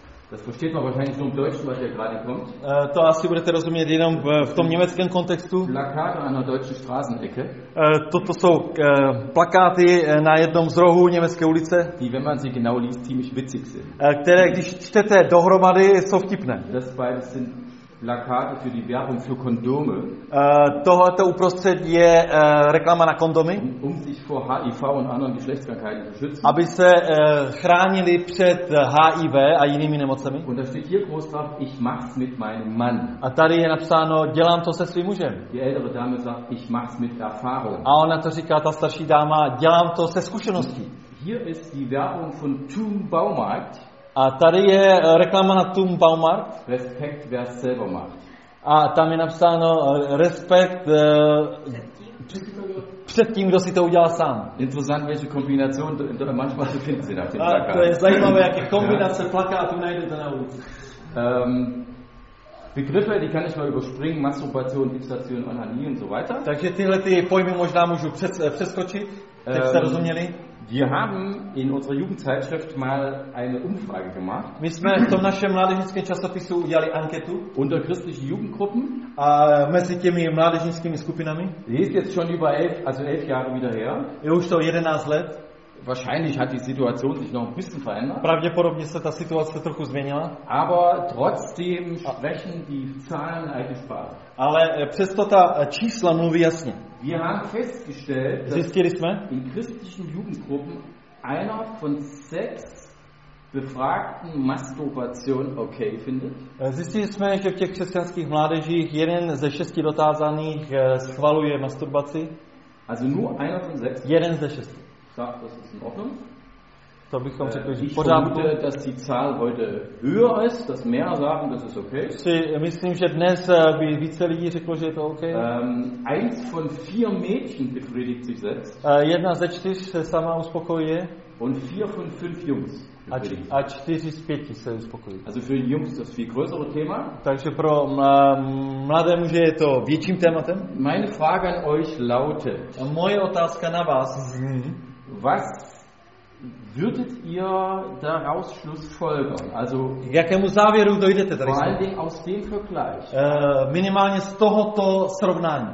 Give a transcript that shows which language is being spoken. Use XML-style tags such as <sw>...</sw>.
<de>Das versteht man wahrscheinlich nur im Deutschen, was hier gerade kommt.</de> <cs>To asi budete rozumět jenom v tom německém kontextu. Plakáty na</cs> <de>deutschen Straßenecke.</de> <cs>Toto jsou plakáty na jednom z rohů německé ulice.</cs> <de>Die, wenn man sie genau liest, ziemlich witzig sind.</de> <cs>Které, když čtete dohromady, jsou vtipné.</cs> <de>Das beides sind Plakate für die Werbung für Kondome.</de> <cs>Tohleto uprostřed je reklama na kondomy.</cs> <de>Um sich vor HIV und anderen Geschlechtskrankheiten zu schützen.</de> <cs>Aby se chránili před HIV a jinými nemocemi.</cs> <de>Und da steht hier groß drauf, ich mach's mit meinem Mann.</de> <cs>A tady je napsáno, dělám to se svým mužem.</cs> <de>Die ältere Dame sagt, ich mach's mit Erfahrung.</de> <cs>A ona to říká, ta starší dáma, dělám to se zkušeností.</cs> <de>Hier ist die Werbung von Thun Baumarkt.</de> <cs>A tady je reklama na Thun Baumarkt.</cs> <de>Respekt, wer selber macht.</de> <cs>A tam je napsáno respekt před tím, kdo si to udělal sám.</cs> <de>Interessant, welche Kombination manchmal zu finden sind auf den Plakaten.</de> <cs>To je zajímavé, jaké kombinace plakátů najdete na ulici.</cs> <de>Begriffe, die kann ich mal überspringen, Masturbation, Fixation, Onanie und so weiter.</de> <cs>Takže tyhle ty pojmy možná můžu přeskočit, teď jste rozuměli.</cs> <de>Wir haben in unserer Jugendzeitschrift mal eine Umfrage gemacht.</de> <cs>My jsme v tom našem mládežnickém časopisu udělali anketu.</cs> <de>Unter christlichen Jugendgruppen.</de> <cs>A mezi těmi mládežnickými skupinami.</cs> <de>Ist jetzt schon über 11, also 11 Jahre wieder her.</de> <cs>Je už to 11 let.</cs> <de>Wahrscheinlich hat die Situation sich noch ein bisschen verändert.</de> <cs>Pravděpodobně se ta situace trochu změnila.</cs> <de>Aber trotzdem sprechen die Zahlen eine Sprache.</de> <cs>Ale přesto ta čísla mluví jasně.</cs> <de>Wir haben festgestellt, dass in christlichen Jugendgruppen einer von 6 befragten Masturbation okay findet.</de> <cs>Zjistili jsme, že v těch křesťanských mládežích jeden ze 6 dotázaných schvaluje masturbaci.</cs> <de>Also nur einer von sechs.</de> <cs>Jeden ze šesti. Tak, to je v pořádku. To bychom řekli, že pořádku.</cs> <de>Dass die Zahl heute höher ist, dass mehr sagen, das ist okay.</de> <cs>Si, myslím, že dnes by více lidí řeklo, že je to okay.</cs> <de>Eins von vier Mädchen befriedigt sich selbst.</de> <cs>Jedna ze čtyř se sama uspokojuje.</cs> <de>Und vier von fünf Jungs.</de> <cs>A čtyři z pěti se uspokojí.</cs> <de>Also für die Jungs das viel größere Thema.</de> <cs>Takže pro mladé muže je to větším tématem.</cs> <de>Meine Frage an euch lautet.</de> <cs>A moje otázka na vás.</cs> <de>Was würdet ihr daraus schlussfolgern? Also,</de> <cs>jakému závěru dojdete tady?</cs> <de>Vor allen Dingen aus dem Vergleich.</de> <cs>Minimálně z tohoto srovnání.</cs>